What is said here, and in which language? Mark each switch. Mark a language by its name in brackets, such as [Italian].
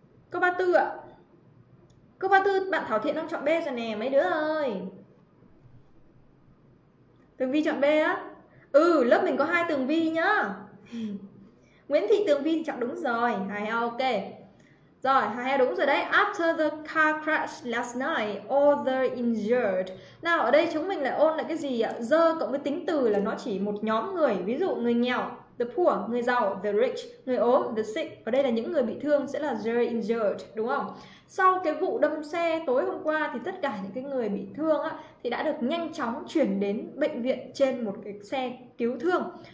[Vietnamese] Câu 34 ạ. Câu 34 bạn Thảo Thiện đang chọn B rồi nè mấy đứa ơi. Tường Vi chọn B á? Ừ, lớp mình có hai Tường Vi nhá. Nguyễn Thị Tường Vi chọn đúng rồi. Hai heo ok. Rồi, hai heo đúng rồi đấy. [English] After the car crash last night, all the injured. [Vietnamese] Nào, ở đây chúng mình lại ôn lại cái gì ạ? The cộng với tính từ là nó chỉ một nhóm người. Ví dụ người nghèo, the poor, người giàu, the rich, người ốm, the sick. Ở đây là những người bị thương sẽ là the injured, đúng không? Sau cái vụ đâm xe tối hôm qua thì tất cả những cái người bị thương á thì đã được nhanh chóng chuyển đến bệnh viện trên một cái xe cứu thương.